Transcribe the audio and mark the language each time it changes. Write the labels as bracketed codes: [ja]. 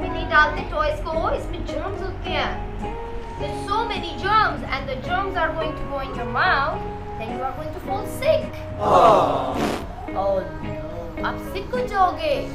[hi] डालते टॉयज को इसमें जर्म्स होते हैं. [en] There's so many germs and the germs are going to go in your mouth. Then you are going to fall sick. Oh no, [hi] आप सिक हो जाओगे.